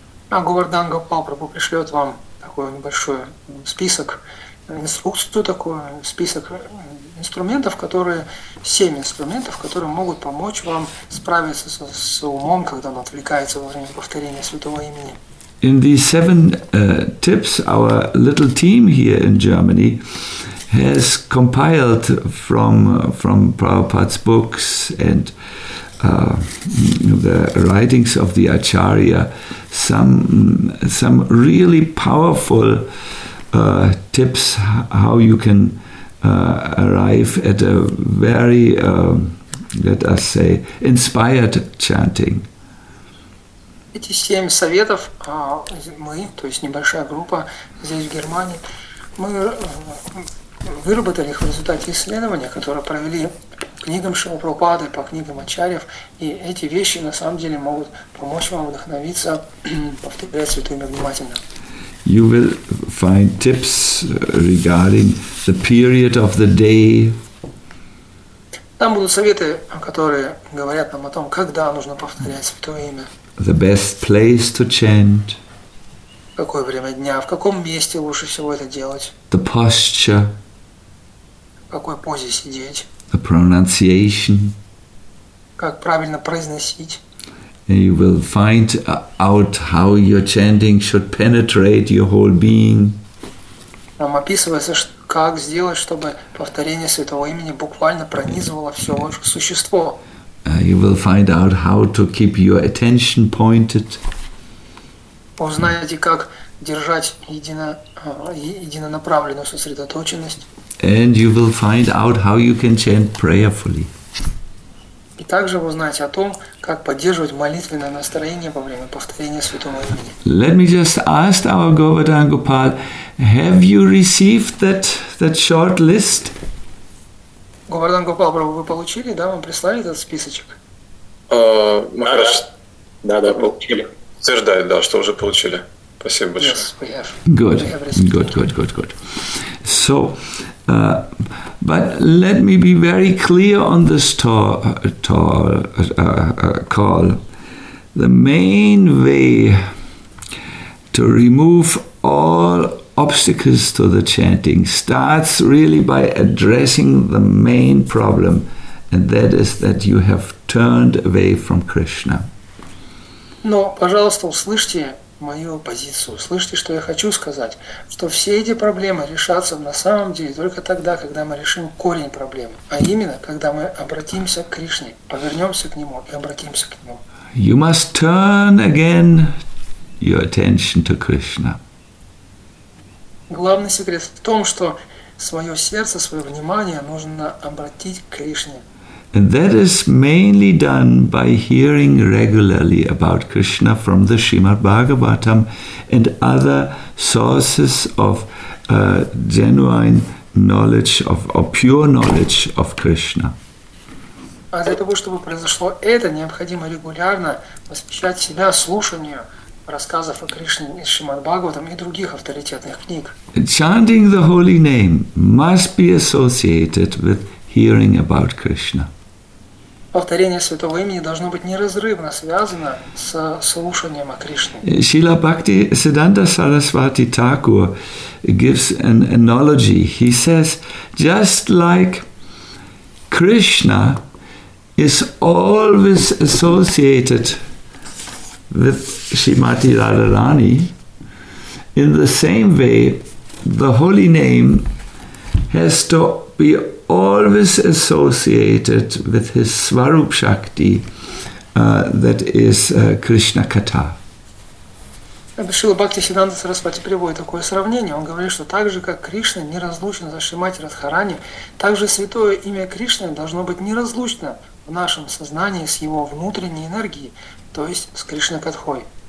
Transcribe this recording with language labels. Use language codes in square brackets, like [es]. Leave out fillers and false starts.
[ru] А Говардхан Гопал Прабху пришлет вам такой небольшой список, инструкцию такую, список инструментов, которые, 7 инструментов, которые могут помочь вам справиться с умом, когда он отвлекается во время повторения святого имени. [en] In these 7 tips, our little team here in Germany has compiled from Prabhupada's books and the writings of the Acharya some really powerful tips how you can arrive at a very, let us say, inspired chanting. [ru] Эти 7 советов мы, то есть небольшая группа здесь в Германии, мы выработали их в результате исследования, которое провели книгам Шрилы Прабхупады, по книгам Ачарьев, и эти вещи на самом деле могут помочь вам вдохновиться, повторять святыми внимательно. [en] you will find tips regarding the period of the day. [ru] Там будут советы, которые говорят нам о том, когда нужно повторять Святое Имя. [en] The best place to chant. [ru] Какое время дня, в каком месте лучше всего это делать. [en] The posture. [ru] В какой позе сидеть. [en] The pronunciation. [ru] Как правильно произносить. [en] And you will find out how your chanting should penetrate your whole being. [ru] Там описывается, как сделать, чтобы повторение Святого Имени буквально пронизывало все существо. [en] You will find out how to keep your attention pointed. [ru] Узнаете, как держать единонаправленную сосредоточенность. [en] And you will find out how you can chant prayerfully. [ru] И также вы узнаете о том, как поддерживать молитвенное настроение во время повторения Святого Имени. [en] Let me just ask our Govardhan Gopal, have you received that short list? [ru] Govardhan Gopal, вы получили, да, вам прислали этот списочек? Махарадж, да, получили. Утверждает, да, что уже получили. Спасибо большое. [en] Yes, we have. Good, good. So, but let me be very clear on this call. The main way to remove all obstacles to the chanting starts really by addressing the main problem, and that is that you have turned away from Krishna. [ru] Но, пожалуйста, услышьте мою позицию, услышьте, что я хочу сказать, что все эти проблемы решатся на самом деле только тогда, когда мы решим корень проблемы, а именно, когда мы обратимся к Кришне, повернемся к Нему и обратимся к Нему. [en] You must turn again your attention to Krishna. [ru] Главный секрет в том, что свое сердце, свое внимание нужно обратить к Кришне. [en] And that is mainly done by hearing regularly about Krishna from the Srimad Bhagavatam and other sources of genuine knowledge of or pure knowledge of Krishna. [ru] А для того, чтобы произошло это, необходимо регулярно посвящать себя слушанию рассказов о Кришне из Шримад Бхагаватам и других авторитетных книг. [en] Chanting the holy name must be associated with hearing about Krishna. [ru] Повторение Святого Имени должно быть неразрывно связано с слушанием о Кришне. [en] Шрила Бхакти Сиддханта Сарасвати Тхакур gives an analogy. He says, just like Krishna is always associated with Srimati Radharani, in the same way, the holy name has to be always associated with his Swarup Shakti, that is Krishna Katha. [ru] Шрила Бхакти Сиддханта Сарасвати приводит такое сравнение. Он говорит, что так же, как Кришна неразлучен со Шримати Радхарани, так же святое имя Кришны должно быть неразлучно в нашем сознании с его внутренней энергией, то есть с Кришна Катхой.